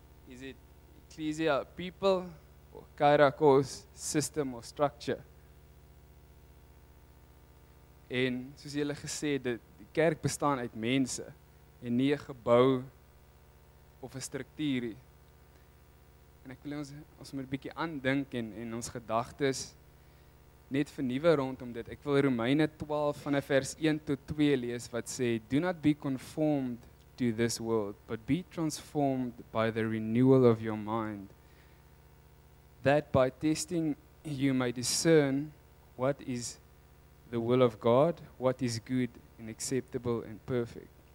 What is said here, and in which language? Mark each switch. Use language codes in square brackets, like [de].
[en] Is it ecclesia, people, or kairakos, system, or structure? [af] En soos jy gesê, die kerk bestaan uit mense. en nie 'n gebou of 'n struktuur nie. En ek wil ons moet 'n bietjie aandink en ons gedagtes net vernuwe rondom dit. Ek wil Romeine 12 vanaf vers 1 tot 2 lees wat sê: [en] "Do not be conformed to this world, but be transformed by the renewal of your mind, that by testing you may discern what is the will of God, what is good and acceptable and perfect."